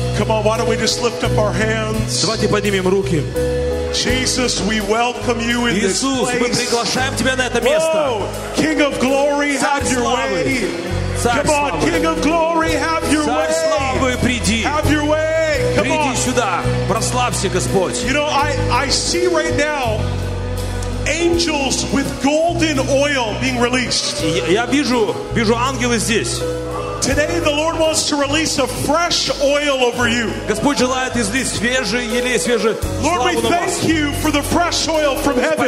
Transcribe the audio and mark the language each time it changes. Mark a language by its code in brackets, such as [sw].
[en] on, why don't we just lift up our hands? [ru] Давайте поднимем руки. [en] Jesus, we welcome you in this place. [ru] Иисус, мы приглашаем тебя на это место. [en] King of glory, have your way. Come on, King of glory, have your way. [ru] Славы, приди. [en] Have your way. [ru] Приди сюда. Прославься, Господь. [en] You know, I see right now angels with golden oil being released. [ru] Я вижу ангелы здесь. [en] Today the Lord wants to release a fresh oil over you. [ru] Господь желает излить свежий елей, свежий. [en] Lord, we thank you for the fresh oil from heaven.